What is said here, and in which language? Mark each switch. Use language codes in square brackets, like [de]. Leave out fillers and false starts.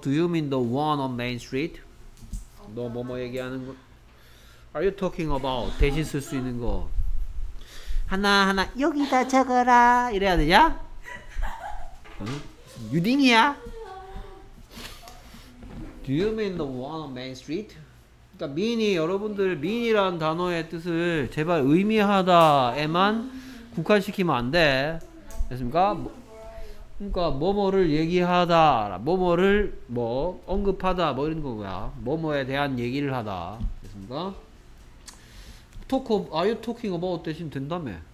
[en] Do you mean the one on Main Street? [ko] 너 뭐뭐 얘기하는 거 [en] Are you talking about? [ko] 대신 쓸 수 있는 거 하나하나 여기다 적어라 이래야 되냐? 응? 유딩이야? [en] Do you mean the one on Main Street? [ko] 그러니까 mean이 여러분들 mean이라는 단어의 뜻을 제발 의미하다에만 국한시키면 안 돼. 됐습니까? 뭐, 그러니까 뭐뭐를 얘기하다 뭐뭐를 뭐 언급하다 뭐 이런 거야. 뭐뭐에 대한 얘기를 하다. 됐습니까? [en] Talk of, are you talking about [ko] 대신 된다며.